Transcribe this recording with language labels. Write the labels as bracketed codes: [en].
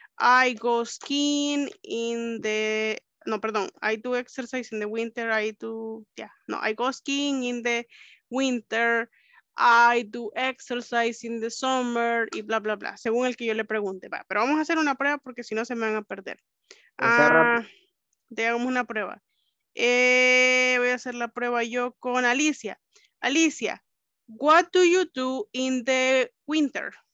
[en] I go skiing in the, [es] no, perdón, [en] I do exercise in the winter. I do, yeah, no, I go skiing in the winter. I do exercise in the summer [es] y bla, bla, bla, según el que yo le pregunte. Va, pero vamos a hacer una prueba porque si no se me van a perder. Hagamos una prueba. Voy a hacer la prueba yo con Alicia. [en] Alicia, what do you do in the winter?